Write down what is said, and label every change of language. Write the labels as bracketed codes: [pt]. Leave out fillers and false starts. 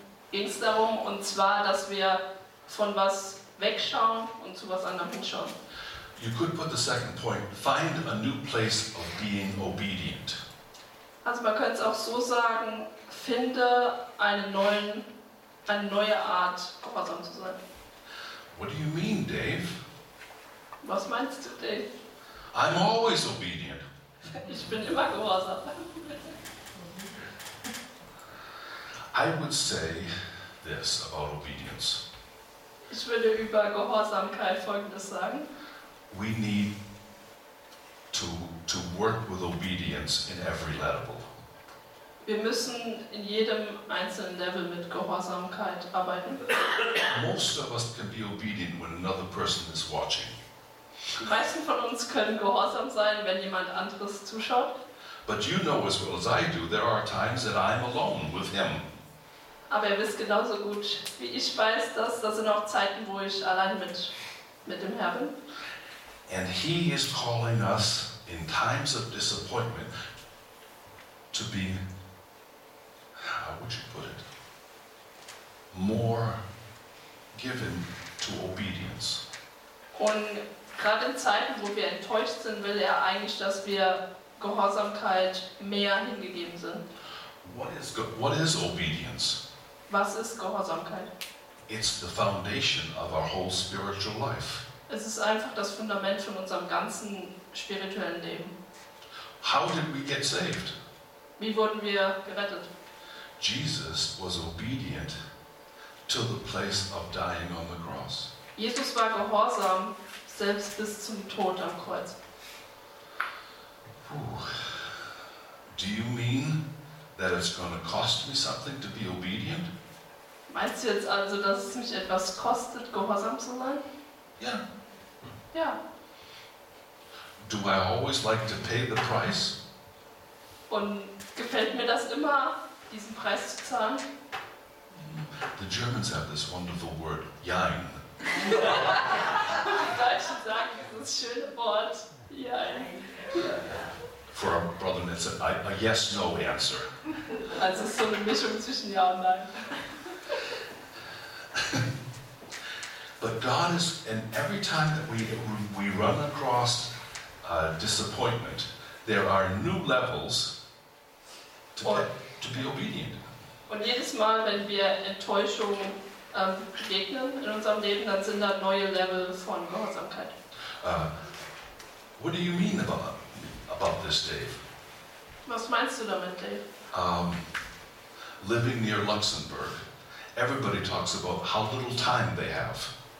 [de] Ging es darum, und zwar, dass wir von was wegschauen und zu was anderem hinschauen. [en] You could put the second point, find a new place of being obedient. [de] Also man könnte es auch so sagen, finde einen neuen eine neue Art, gehorsam zu sein. [en] What do you mean, Dave? [de] Was meinst du, Dave? [en] I'm always obedient. [de] Ich bin immer gehorsam. [en] I would say this about obedience. [de] Ich würde über Gehorsamkeit Folgendes sagen. [en] We need to work with obedience in every level. [de] Wir müssen in jedem einzelnen Level mit Gehorsamkeit arbeiten. [en] Most of us can be obedient when another person is watching. [de] Die meisten von uns können gehorsam sein, wenn jemand anderes zuschaut. [en] But you know as well as I do, there are times that I'm alone with him. [de] Aber ihr wisst genauso gut, wie ich weiß, dass das sind auch Zeiten, wo ich allein mit dem Herrn bin. [en] And he is calling us in times of disappointment to be, how would you put it, more given to obedience. [de] Und gerade in Zeiten, wo wir enttäuscht sind, will er eigentlich, dass wir Gehorsamkeit mehr hingegeben sind. [en] What is obedience? [de] Was ist Gehorsamkeit? [en] It's the foundation of our whole spiritual life. [de] Es ist einfach das Fundament von unserem ganzen spirituellen Leben. [en] How did we get saved? [de] Wie wurden wir gerettet? [en] Jesus was obedient to the place of dying on the cross. [de] Jesus war gehorsam selbst bis zum Tod am Kreuz. [en] Do you mean that it's going to cost me something to be obedient? [de] Meinst du jetzt also, dass es mich etwas kostet, gehorsam zu sein? [en] Yeah. Yeah. Do I always like to pay the price? [de] Und gefällt mir das immer, diesen Preis zu zahlen? [en] The Germans have this wonderful word, jein. [de] Die Deutschen sagen dieses schöne Wort, jein. [en] For a brother, it's a yes-no answer. [de] Also so eine Mischung zwischen ja und nein. [en] But God is, and every time that we run across disappointment, there are new levels to be obedient. [de] Und jedes Mal, wenn wir Enttäuschung begegnen in unserem Leben, dann sind da neue Level von Gehorsamkeit. [en] What do you mean about this, Dave? [de] Was meinst du damit, Dave? [en] Living near Luxembourg, everybody talks about how little time they have.